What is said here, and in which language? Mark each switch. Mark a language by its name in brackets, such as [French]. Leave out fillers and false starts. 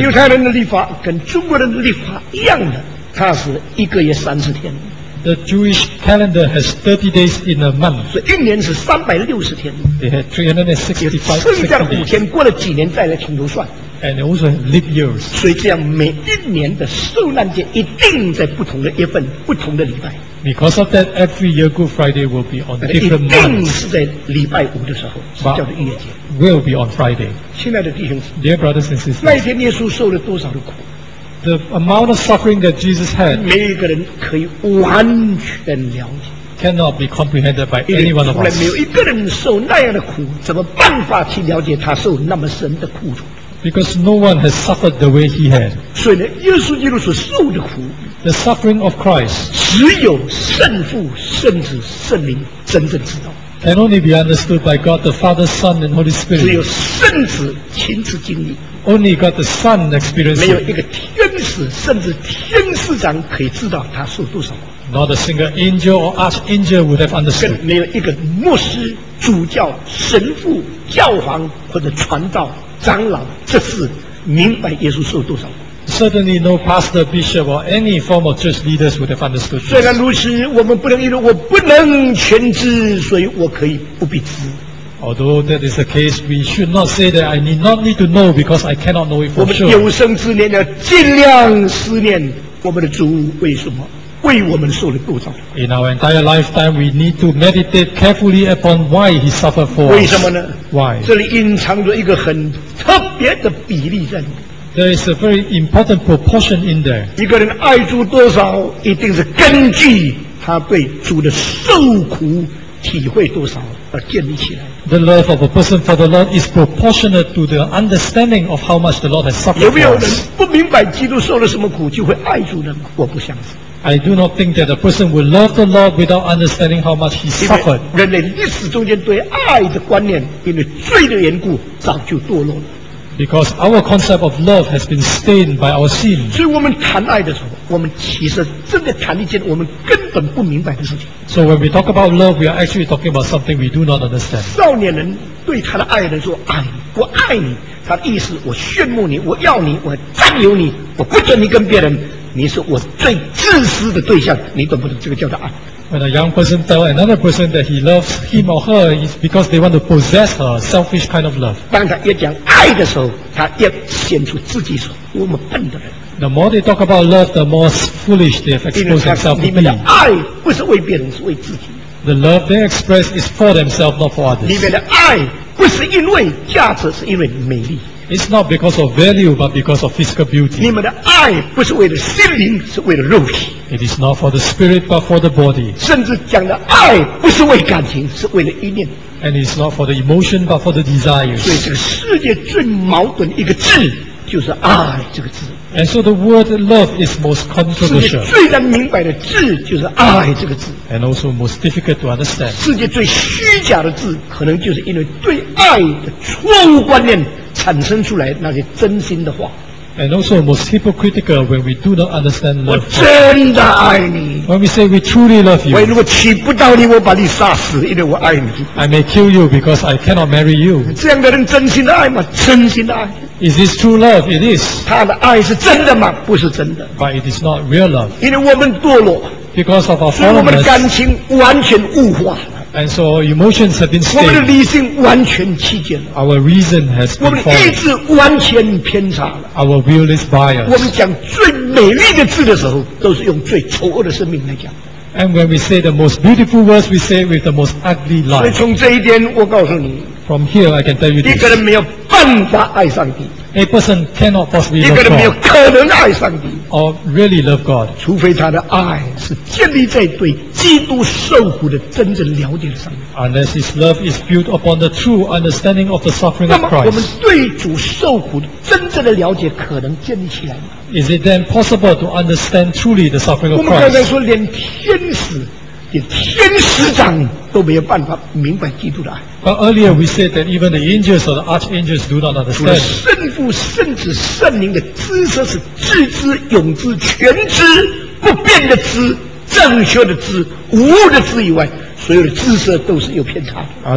[Chinese] 犹太人的历法跟中国人的历法一样的，它是一个月30天。 [English] The Jewish calendar has 30 days in a month. [Chinese] 所以一年是360天。 [English] They had 365 days. [Chinese] 剩下的5天过了几年再来从头算。 [English] And they also have leap years. [Chinese] 所以这样每一年的受难节一定在不同的月份、不同的礼拜。 [English] Because of that, every year Good Friday will be on different months. [Chinese] 在礼拜五的时候是叫做逾越节。 [English] Will be on Friday. [Chinese] 亲爱的弟兄姊妹 [English] ，Dear brothers and sisters, [Chinese] 那一天耶稣受了多少的苦 [English] ？The amount of suffering that Jesus had. [Chinese] 每一个人可以完全了解。 [English] Cannot be comprehended by any one of us. [Chinese] 从来没有一个人受那样的苦，怎么办法去了解他受那么深的苦楚？ [English] Because no one has suffered the way he had. [Chinese] 所以呢，耶稣基督所受的苦。 [English] The suffering of Christ, [Chinese] 只有圣父、圣子、圣灵真正知道。 [English] Can only be understood by God, the Father, Son, and Holy Spirit. [Chinese] 只有圣子亲自经历。 [English] Only God, the Son, experienced. [Chinese] 没有一个天使，甚至天使长可以知道他受多少。 [English] Not a single angel or archangel would have understood. [Chinese] 没有一个牧师、主教、神父、教皇或者传道、长老，这是明白耶稣受多少。 [English] Certainly, no pastor, bishop, or any form of church leaders would have understood. [Chinese] 虽然如此，我们不能因为我不能全知，所以我可以不必知。 [English] Although that is the case, we should not say that I need not need to know because I cannot know it for sure. [Chinese] 我们有生之年要尽量思念我们的主，为什么为我们受了多少？ [English] In our entire lifetime, we need to meditate carefully upon why he suffered for us. [Chinese] 为什么呢？ [English] Why? [Chinese] 这里隐藏着一个很特别的比例在里面。 [English] There is a very important proportion in there. [Chinese] 一个人爱主多少，一定是根据他对主的受苦体会多少而建立起来。 [English] The love of a person for the Lord is proportionate to the understanding of how much the Lord has suffered. [Chinese] 有没有人不明白基督受了什么苦就会爱主呢？我不相信。 [English] I do not think that a person will love the Lord without understanding how much he suffered. [Chinese] 因为人类历史中间对爱的观念，因为罪的缘故，早就堕落了。 [English] Because our concept of love has been stained by our sin. [Chinese] 所以我们谈爱的时候，我们其实真的谈一件我们根本不明白的事情。 [English] So when we talk about love, we are actually talking about something we do not understand. [Chinese] 少年人对他的爱人说：“爱，我爱你。” 他的意思：我炫慕你，我要你，我占有你，我不准你跟别人。你是我最自私的对象，你懂不懂？这个叫做爱。 [English] When a young person tells another person that he loves him or her, it's because they want to possess her, selfish kind of love. [Chinese] 当他越讲爱的时候，他越显出自己是多么笨的人。 [English] The more they talk about love, the more foolish they have exposed themselves to be. [Chinese] 里面的爱不是为别人，是为自己。 [English] The love they express is for themselves, not for others. [Chinese] 里面的爱不是因为价值，是因为美丽。 [English] It's not because of value, but because of physical beauty. [Chinese] 你们的爱不是为了心灵，是为了肉体。 [English] It is not for the spirit, but for the body. [Chinese] 甚至讲的爱不是为感情，是为了意念。 [English] And it's not for the emotion, but for the desires. [Chinese] 所以这个世界最矛盾一个字就是爱这个字。 [English] And so the word love is most controversial. [Chinese] 世界最难明白的字就是爱这个字。 [English] And also most difficult to understand. [Chinese] 世界最虚假的字，可能就是因为对爱的错误观念产生出来那些真心的话。 [English] And also most hypocritical when we do not understand love. [Chinese] 我真的爱你。 [English] When we say we truly love you. [Chinese] 我如果娶不到你，我把你杀死，因为我爱你。 [English] I may kill you because I cannot marry you. [Chinese] 这样的人真心的爱吗？真心的爱。 [English] Is this true love? It is. [Chinese] 他的爱是真的吗？不是真的。 [English] But it is not real love. [Chinese] 因为我们堕落。 [English] Because of our fallenness. [Chinese] 所以我们的感情完全物化。 [English] And so our emotions have been stained. [Chinese] 我们的理性完全曲解了。 [English] Our reason has been fallen. [Chinese] 我们的意志完全偏差了。 [English] Our will is biased. [Chinese] 我们讲最美丽的字的时候，都是用最丑恶的生命来讲。 [English] And when we say the most beautiful words, we say it with the most ugly life. [Chinese] 所以从这一点，我告诉你。 [English] From here, I can tell you this. [Chinese] 一个人没有办法爱上帝。 [English] A person cannot possibly love God. [Chinese] 一个人没有可能爱上帝。 [English] Or really love God. [Chinese] 除非他的爱是建立在对基督受苦的真正了解上面。 [English] Unless his love is built upon the true understanding of the suffering of Christ. [Chinese] 那么我们对主受苦的真正的了解可能建立起来吗？ [English] Is it then possible to understand truly the suffering of Christ? [Chinese] 我们刚才说连天使连天使长都没有办法明白基督的爱。 [English] But earlier we said that even the angels or the archangels do not understand. [Chinese] 除了圣父、圣子、圣灵的知识是至知、永知、全知、不变的知、正确的知、无误的知以外，所有的知识都是有偏差的。